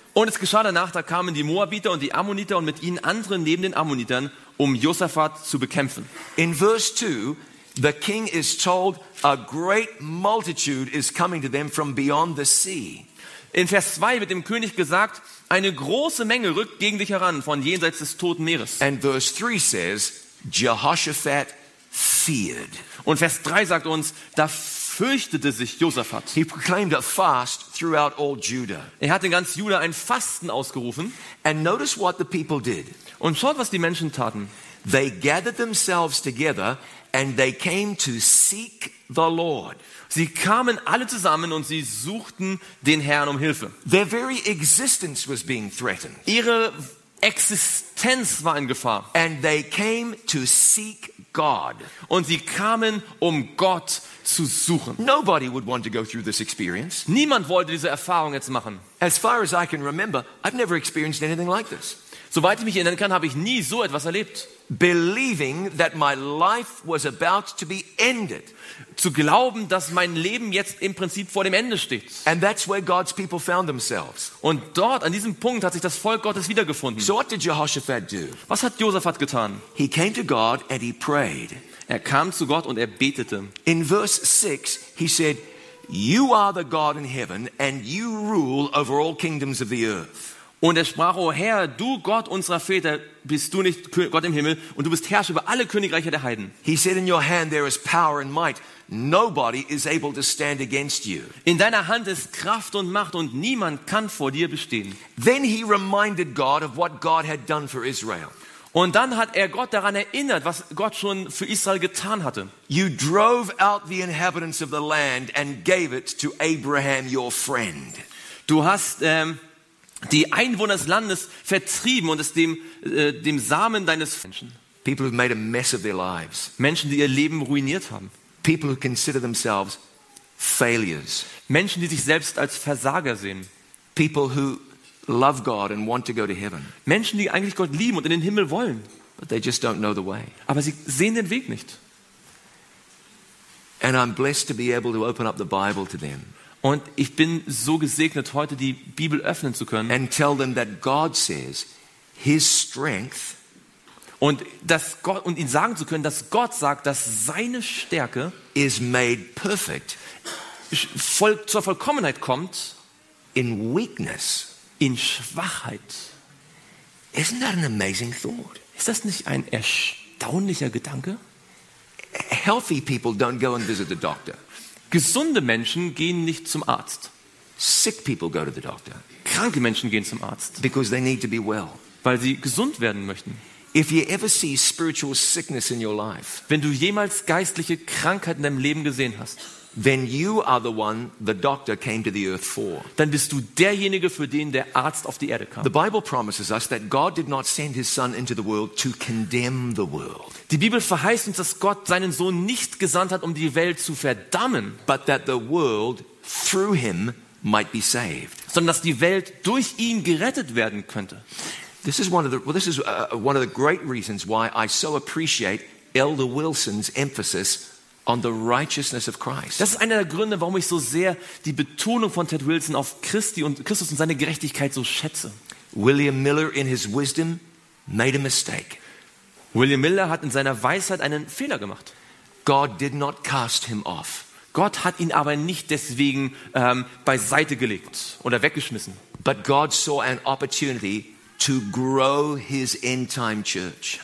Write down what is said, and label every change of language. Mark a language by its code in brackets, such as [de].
[de] Und es geschah danach, da kamen die Moabiter und die Ammoniter und mit ihnen andere neben den Ammonitern, um Josaphat zu bekämpfen. [en] In verse 2, the king is told a great multitude is coming to them from beyond the sea. [de] In Vers 2 wird dem König gesagt, eine große Menge rückt gegen dich heran von jenseits des Toten Meeres. [en] And verse 3 says, Jehoshaphat feared. [de] Und Vers 3 sagt uns, da fürchtete sich Josaphat. [en] He proclaimed a fast throughout all Judah. [de] Er hat in ganz Juda ein Fasten ausgerufen. [en] And notice what the people did. [de] Und schaut, was die Menschen taten. [en] They gathered themselves together and they came to seek the Lord. [de] Sie kamen alle zusammen und sie suchten den Herrn um Hilfe. [en] Their very existence was being threatened. [de] Ihre Existenz war in Gefahr. [en] And they came to seek God. [de] Und sie kamen, um Gott zu suchen. [en] Nobody would want to go through this experience. [de] Niemand wollte diese Erfahrung jetzt machen. [en] As far as I can remember, I've never experienced anything like this. [de] Soweit ich mich erinnern kann, habe ich nie so etwas erlebt. [en] Believing that my life was about to be ended. [de] Zu glauben, dass mein Leben jetzt im Prinzip vor dem Ende steht. [en] And that's where God's people found themselves. [de] Und dort, an diesem Punkt, hat sich das Volk Gottes wiedergefunden. [en] So what did Jehoshaphat do? [de] Was hat Josaphat getan? [en] He came to God and he prayed. [de] Er kam zu Gott und er betete. [en] In verse 6, he said, "You are the God in heaven and you rule over all kingdoms of the earth." [de] Und er sprach, O Herr, du Gott unserer Väter, bist du nicht Gott im Himmel und du bist Herrscher über alle Königreiche der Heiden. [en] He said, in your hand there is power and might. Nobody is able to stand against you. [de] In deiner Hand ist Kraft und Macht und niemand kann vor dir bestehen. [en] Then he reminded God of what God had done for Israel. [de] Und dann hat er Gott daran erinnert, was Gott schon für Israel getan hatte. [en] You drove out the inhabitants of the land and gave it to Abraham, your friend. [de] Du hast die Einwohner des Landes vertrieben und es dem Samen deines Menschen. [en] People who made a mess of their lives. [de] Menschen, die ihr Leben ruiniert haben. [en] People who consider themselves failures. [de] Menschen, die sich selbst als Versager sehen. [en] People who love God and want to go to heaven. [de] Menschen, die eigentlich Gott lieben und in den Himmel wollen. [en] But they just don't know the way. [de] Aber sie sehen den Weg nicht. [en] And I'm blessed to be able to open up the Bible to them. [de] Und ich bin so gesegnet, heute die Bibel öffnen zu können. [en] And tell them that God says his strength. [de] Und dass Gott, und ihnen sagen zu können, dass Gott sagt, dass seine Stärke [en] is made perfect [de] zur Vollkommenheit kommt [en] in weakness, [de] in Schwachheit. [en] Isn't that an amazing thought? [de] Ist das nicht ein erstaunlicher Gedanke? [en] Healthy people don't go and visit the doctor. [de] Gesunde Menschen gehen nicht zum Arzt. [en] Sick people go to the doctor. [de] Kranke Menschen gehen zum Arzt. [en] Because they need to be well. [de] Weil sie gesund werden möchten. [en] If you ever see spiritual sickness in your life, [de] wenn du jemals geistliche Krankheit in deinem Leben gesehen hast, [en] then you are the one the doctor came to the earth for. [de] Dann bist du derjenige, für den der Arzt auf die Erde kam. [en] The Bible promises us that God did not send his son into the world to condemn the world. [de] Die Bibel verheißt uns, dass Gott seinen Sohn nicht gesandt hat, um die Welt zu verdammen, [en] but that the world through him might be saved. [de] Sondern dass die Welt durch ihn gerettet werden könnte. [en] This is one of the one of the great reasons why I so appreciate Elder Wilson's emphasis on the righteousness of Christ. [de] Das ist einer der Gründe, warum ich so sehr die Betonung von Ted Wilson auf Christi und Christus und seine Gerechtigkeit so schätze. [en] William Miller in his wisdom made a mistake. [de] William Miller hat in seiner Weisheit einen Fehler gemacht. [en] God did not cast him off. [de] Gott hat ihn aber nicht deswegen beiseite gelegt oder weggeschmissen. [en] But God saw an opportunity to grow his end-time church.